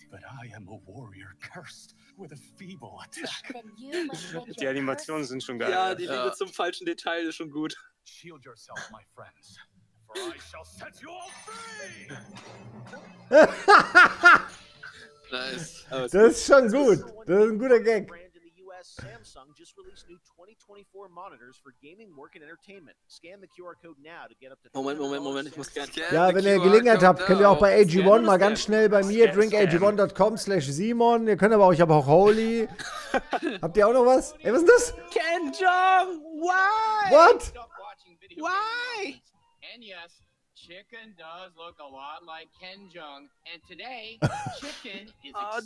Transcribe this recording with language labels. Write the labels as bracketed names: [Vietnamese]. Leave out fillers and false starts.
[English] But I am a warrior cursed with a feeble attack. [German] Die Animationen sind schon geil. Ja, die Liebe zum falschen Detail ist schon gut. [English] Shield yourself, my friends, for I shall set you all free. Nice. [German] Das ist schon gut. Das ist ein guter Gag. [English] Samsung just released new 2024 monitors for gaming, work and entertainment. Scan the QR code now to get up to [German] Moment, ich muss scannen. Ja, wenn ihr Gelegenheit habt, könnt ihr auch bei AG1 mal ganz schnell bei mir drinkag1.com/Simon. Ihr könnt aber auch, ich habe auch Holy. Habt ihr auch noch was? Ey, was ist das? [English] Ken Jeong, why? What? Stop watching Peter. Why? And yes, Chicken does look a lot like Ken Jung, and today Chicken is excited